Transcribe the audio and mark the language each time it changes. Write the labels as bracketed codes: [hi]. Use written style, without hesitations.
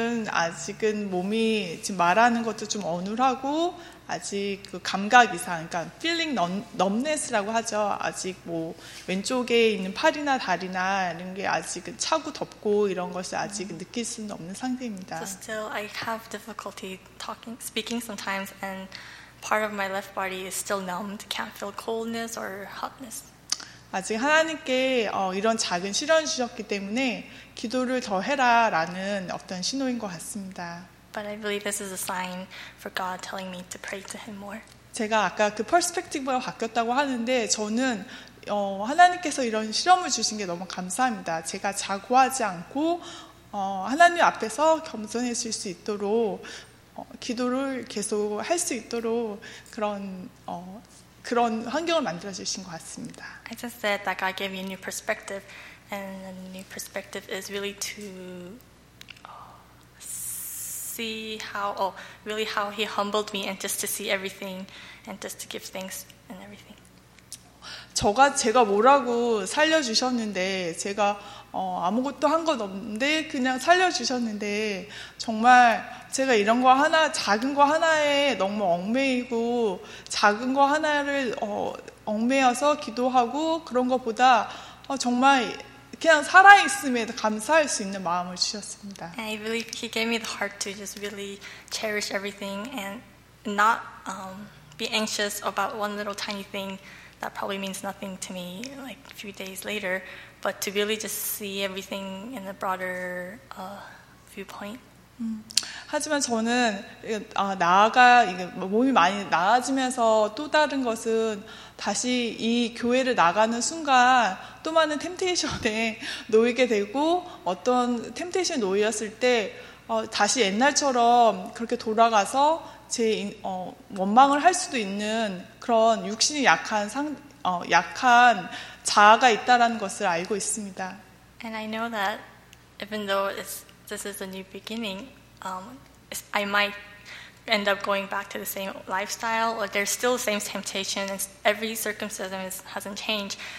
[ko] 아직은 몸이 지금 말하는 것도 좀 어눌하고 아직 그 감각 이상, 그러니까 [en] feeling numbness [ko] 라고 하죠. 아직 뭐 왼쪽에 있는 팔이나 다리나 이런 게 아직은 차고 덥고 이런 것을 아직 느낄 수는 없는 상태입니다. [en] So still, I have difficulty talking, speaking sometimes, and part of my left body is still numbed. Can't feel coldness or hotness. [ko] 아직 하나님께 이런 작은 시련을 주셨기 때문에 기도를 더 해라라는 어떤 신호인 것 같습니다. [en] But I believe this is a sign for God telling me to pray to Him more. [ko] 제가 아까 그 perspective가 바뀌었다고 하는데 저는 하나님께서 이런 시험을 주신 게 너무 감사합니다. 제가 자고하지 않고 하나님 앞에서 겸손해질 수 있도록 기도를 계속 할 수 있도록 그런 환경을 만들어 주신 것 같습니다. [en] I just said that God gave me a new perspective, and the new perspective is really to see how He humbled me, and just to see everything, and just to give thanks and everything. [ko] 제가 뭐라고 살려 주셨는데 제가 아무것도 한 것 없는데 그냥 살려 주셨는데 정말 제가 이런 거 하나 작은 거 하나에 너무 얽매이고 작은 거 하나를 얽매여서 기도하고 그런 것보다 정말 그냥 살아 있음에 감사할 수 있는 마음을 주셨습니다. [en] And I believe He gave me the heart to just really cherish everything and not be anxious about one little tiny thing. That probably means nothing to me like a few days later, but to really just see everything in a broader viewpoint. [ko] 하지만 저는 나아가 몸이 많이 나아지면서 또 다른 것은 다시 이 교회를 나가는 순간 또 많은 템테이션에 놓이게 되고 어떤 템테이션에 놓였을 때 다시 옛날처럼 그렇게 돌아가서 제 원망을 할 수도 있는 그런 육신이 약한 약한 자아가 있다라는 것을 알고 있습니다. [en] And I know that even though this is a new beginning, I might end up going back to the same lifestyle, or there's still the same temptation, and every circumstance hasn't changed.